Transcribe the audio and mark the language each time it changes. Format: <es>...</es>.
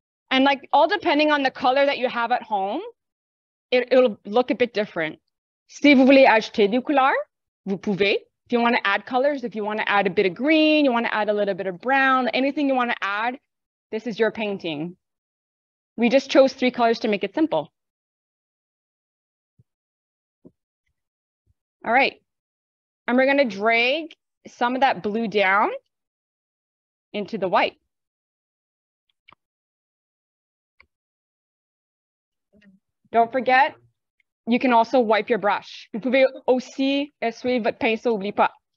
<en>And like all depending on the color that you have at home, it'll look a bit different.</en> <fr>Si vous voulez acheter du couleur, vous pouvez.</fr> <en>If you want to add colors, if you want to add a bit of green, you want to add a little bit of brown, anything you want to add, this is your painting. We just chose three colors to make it simple. All right. And we're going to drag some of that blue down into the white. Don't forget, you can also wipe your brush.</en> <fr>Vous pouvez aussi essuyer votre pinceau, oublie pas.</fr>